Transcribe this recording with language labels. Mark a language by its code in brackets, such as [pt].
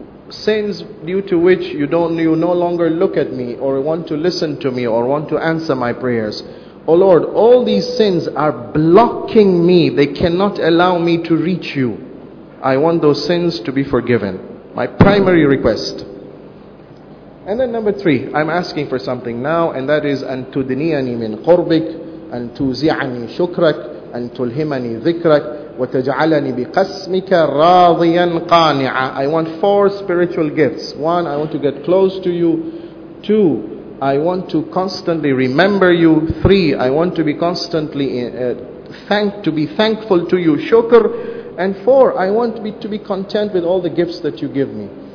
[en] Sins due to which you no longer look at me or want to listen to me or want to answer my prayers. Oh Lord, all these sins are blocking me. They cannot allow me to reach you. I want those sins to be forgiven. My primary request. And then 3, I'm asking for something now, and that is [ar] أن تدنيني من قربك أن توزعني شكرك أن تلهمني ذكرك وتجعلني بقسمك راضيا قانعا. [en] I want 4 spiritual gifts. 1, I want to get close to you. 2, I want to constantly remember you. 3, I want to be constantly thankful to you, shukr. And 4, I want to be content with all the gifts that you give me.